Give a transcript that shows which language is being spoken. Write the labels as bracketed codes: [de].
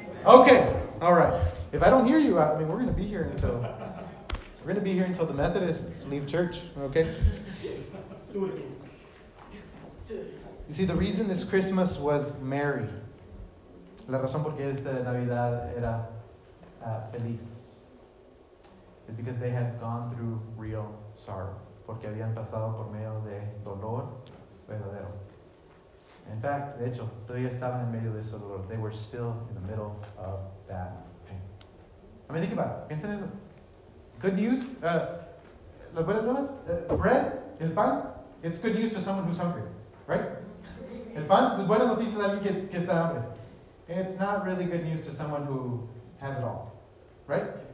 [en] Okay, all right. If I don't hear you, I mean, we're going to be here until the Methodists leave church, okay? You see, the reason this Christmas was merry, [es] la razón por qué esta Navidad era feliz, [en] is because they had gone through real sorrow. [es] Porque habían pasado por medio de dolor verdadero. [en] In fact, [es] de hecho, todavía estaban en medio de ese dolor. [en] They were still in the middle of that pain. I mean, think about it. [es] Piensen eso. [en] Good news? [es] Las buenas nuevas? [en] Bread? [es] El pan? [en] It's good news to someone who's hungry. [es] Right? El pan es buena noticia de alguien que está hambre. [en] And it's not really good news to someone who has it all, right?